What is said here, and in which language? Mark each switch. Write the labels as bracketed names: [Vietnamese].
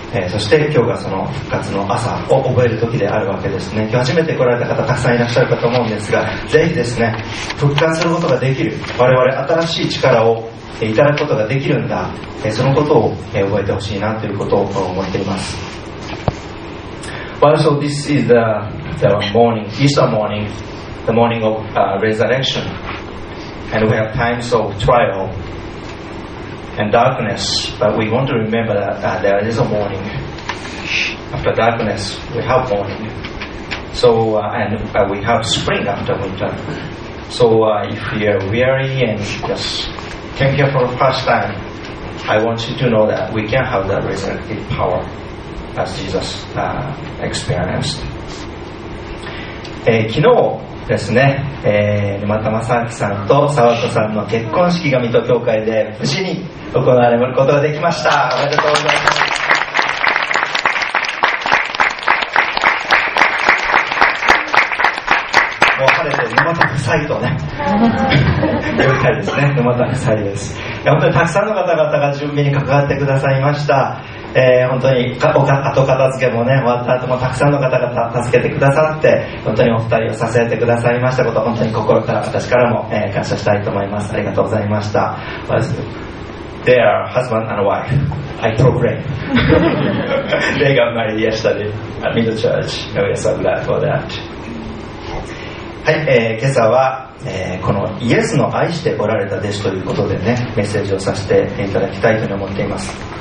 [Japanese] そして今日がその復活の朝を覚える時であるわけですね。今日初めて来られた方たくさんいらっしゃるかと思うんですが、ぜひですね、復活することができる、我々新しい力をいただくことができるんだ、そのことを、覚えてほしいなということを思っています。 [English] Well, so this is the morning, Easter morning, the morning of resurrection, and we have times of trial and darkness, but we want to remember that there is a morning. After darkness, we have morning. So, and we have spring after winter. So if you're weary and just came here for the first time, I want you to know that we can have that resurrected power as Jesus experienced. [Japanese] 昨日ですね、沼田正明さんと沢田さんの結婚式が水戸教会で無事に行われることができました。おめでとうございます。もう晴れて沼田夫妻とね、了解ですね、沼田夫妻です。いや、本当にたくさんの方々が準備に関わってくださいました。本当に後片付けもね、終わった後もたくさんの方々助けてくださって、本当にお二人を支えてくださいましたこと、本当に心から私からも、感謝したいと思います。ありがとうございました。 [English] They are husband and wife, I proclaim. They got married yesterday at Middle Church, and we are so glad for that. [Japanese] はい、今朝は、このイエスの愛しておられた弟子ということでね、メッセージをさせていただきたいと思っています。